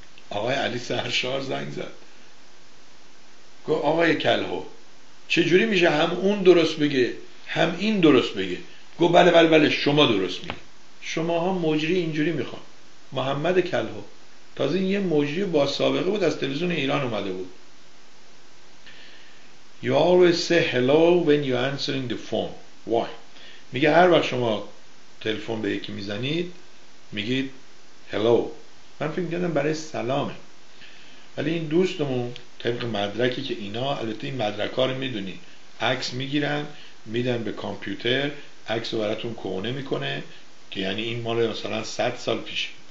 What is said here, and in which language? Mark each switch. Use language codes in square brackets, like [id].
[fa] آقای علی سرشار زنگ زد گفت آقای کلهور چجوری میشه هم اون درست بگه هم این درست بگه؟ گفت بله بله بله، شما درست میگی. شماها مجری اینجوری میخوان. محمد کلهور تازه این یه مجری با سابقه بود، از تلویزیون ایران اومده بود. [en] You always say hello when you're answering the phone. Why? [fa] میگه هر وقت شما تلفن به یکی میزنید میگید hello. من فکر میکردم برای سلامه، ولی این دوستمون طبق مدرکی که اینا، البته این مدرکا رو میدونید، عکس میگیرن میدن به کامپیوتر، عکس رو براتون کهنه میکنه که یعنی این مال مثلا 100 سال پیشه.